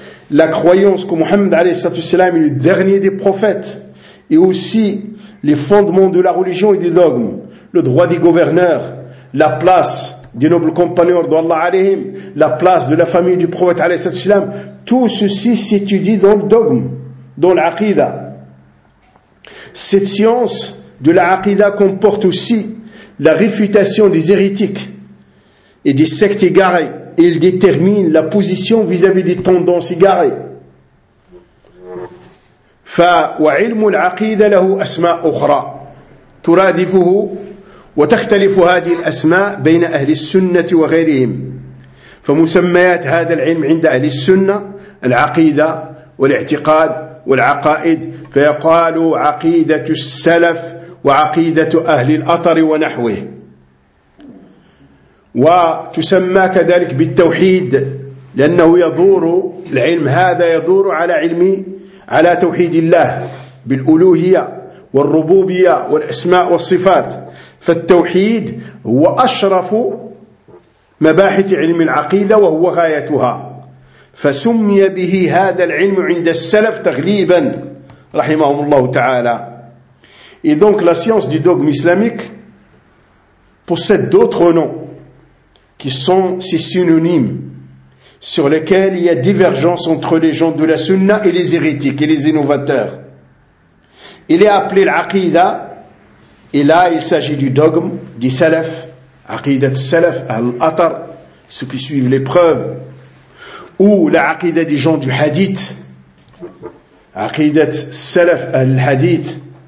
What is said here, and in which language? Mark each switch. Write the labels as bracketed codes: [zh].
[fr] la croyance que Muhammad [ar] alayhi salatu wassalam [fr] est le dernier des prophètes, et aussi les fondements de la religion et des dogmes, le droit des gouverneurs, la place des nobles compagnons d'Allah alayhim, la place de la famille du prophète alayhi salatu wassalam, tout ceci s'étudie dans le dogme, dans l'aqida. Cette science de l'aqida comporte aussi la réfutation des hérétiques et des sectes égarées, et il détermine la position vis-à-vis des tendances égarées. [ar] فوعلم العقيدة له أسماء أخرى ترادفه وتختلف هذه الأسماء بين أهل السنة وغيرهم فمسميات هذا العلم عند أهل السنة العقيدة والاعتقاد والعقائد فيقال عقيدة السلف وعقيدة أهل الأطر ونحوه وتسمى كذلك بالتوحيد لأنه يدور العلم هذا يدور على علم على توحيد الله بالألوهية والربوبية والأسماء والصفات فالتوحيد هو أشرف مباحث علم العقيدة وهو غايتها فسمي به هذا العلم عند السلف تغليبا رحمهم الله تعالى. [fr] Et donc la science du dogme islamique possède d'autres noms qui sont ses synonymes sur lesquels il y a divergence entre les gens de la sunna et les hérétiques et les innovateurs. Il est appelé l'aqida, et là il s'agit du dogme, du salaf, aqida de salaf, al-atar, ceux qui suivent les preuves, ou l'aqida des gens du hadith, aqida de salaf, al-hadith.